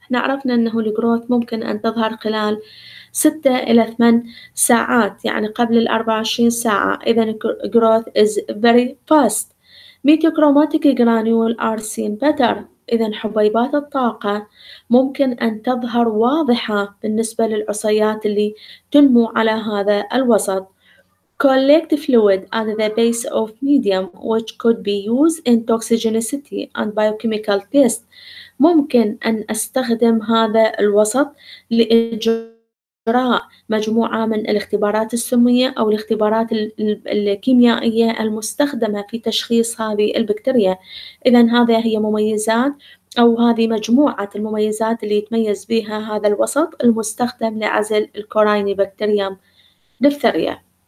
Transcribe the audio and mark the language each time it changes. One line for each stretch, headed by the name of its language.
Arabic: احنا عرفنا انه الجروث ممكن ان تظهر خلال 6 إلى 8 ساعات، يعني قبل 24 ساعة.
English: اذا growth is very fast. Meteochromatic granule are seen better.
Arabic: اذا حبيبات الطاقة ممكن ان تظهر واضحة بالنسبة للعصيات اللي تنمو على هذا الوسط.
English: Collect fluid at the base of medium which could be used in toxicity and biochemical test.
Arabic: ممكن ان استخدم هذا الوسط لاجراء مجموعة من الاختبارات السمية او الاختبارات الكيميائية المستخدمة في تشخيص هذه البكتيريا. اذا هذه هي مميزات او هذه مجموعة المميزات اللي يتميز بها هذا الوسط المستخدم لعزل الكوريني بكتيريوم ديفثيريا.